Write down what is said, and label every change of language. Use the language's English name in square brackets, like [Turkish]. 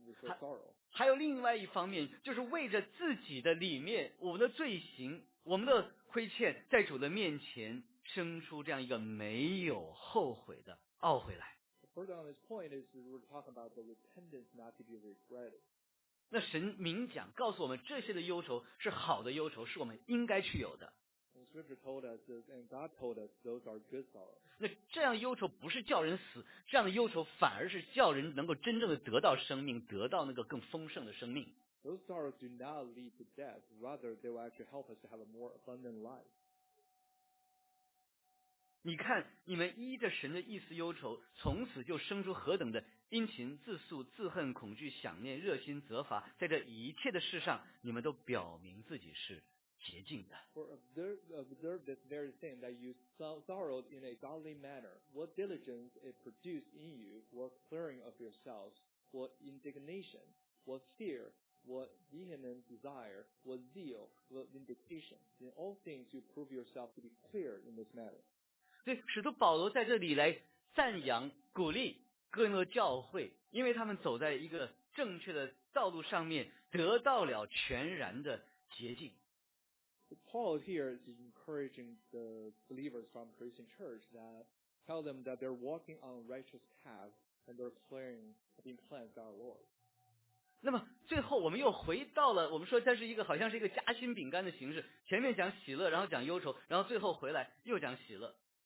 [English] We feel sorrow. [Chinese] 还有另外一方面，就是为着自己的里面，我们的罪行，我们的亏欠，在主的面前生出这样一个没有后悔的懊悔来。 [English] Further on this point is we're talking about the repentance not to be regretted. [Chinese] 那神明讲，告诉我们这些的忧愁是好的忧愁，是我们应该去有的。 [English] Scripture told us, and God told us, those are good sorrows. [Chinese] 那这样忧愁不是叫人死，这样的忧愁反而是叫人能够真正的得到生命，得到那个更丰盛的生命。 [English] Those sorrows do not lead to death; rather, they will actually help us to have a more abundant life. [Chinese] 你看，你们依着神的意思忧愁，从此就生出何等的殷勤、自诉、自恨、恐惧、想念、热心、责罚，在这一切的事上，你们都表明自己是。洁净的。 [English] For observe this very thing that you sorrowed in a godly manner. What diligence it produced in you? What clearing of yourselves? What indignation? What fear? What vehement desire? What zeal? What vindication? In all things you prove yourself to be clear in this matter. [Chinese] 对，使徒保罗在这里来赞扬、鼓励哥林多教会，因为他们走在一个正确的道路上面，得到了全然的洁净。 [English] Paul here is encouraging the believers from Christian church that tell them that they're walking on righteous path and they're clearing being cleansed by our Lord. [Chinese] 那么最后我们又回到了我们说这是一个好像是一个夹心饼干的形式，前面讲喜乐，然后讲忧愁，然后最后回来又讲喜乐。